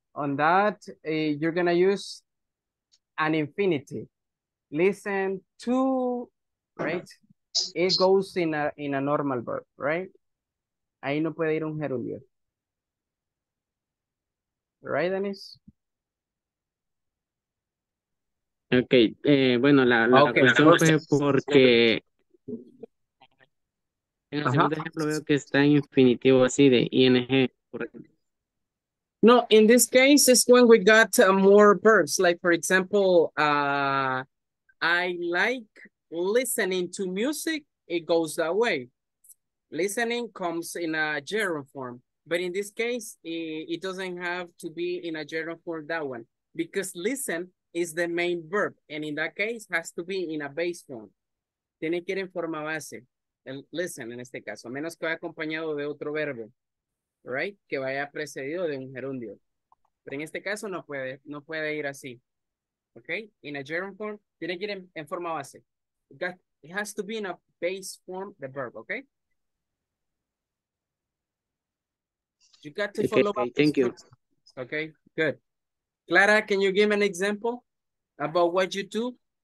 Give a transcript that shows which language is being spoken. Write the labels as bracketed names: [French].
[English] On that, you're gonna use an infinitive. Listen to, right? It goes in a normal verb, right? [Spanish] Ahí no puede ir un gerundio. [English] Right, Dennis? [Spanish] Okay, bueno, la cuestión fue porque en el segundo ejemplo veo que está en infinitivo así de ing. [English] No, in this case is when we got more verbs, like for example, I like listening to music. It goes that way. Listening comes in a gerund form. But in this case, it doesn't have to be in a gerund form, that one. Because listen is the main verb. And in that case, has to be in a base form. [Spanish] Tiene que ir en forma base. Listen, en este caso. A menos que vaya acompañado de otro verbo. Right? Que vaya precedido de un gerundio. Pero en este caso, no puede ir así. Okay? [English] In a gerund form, [Spanish] tiene que ir en forma base. [English] It has to be in a base form, the verb, okay? You got to follow up. Thank you. Okay, good. Clara, can you give an example about what you do?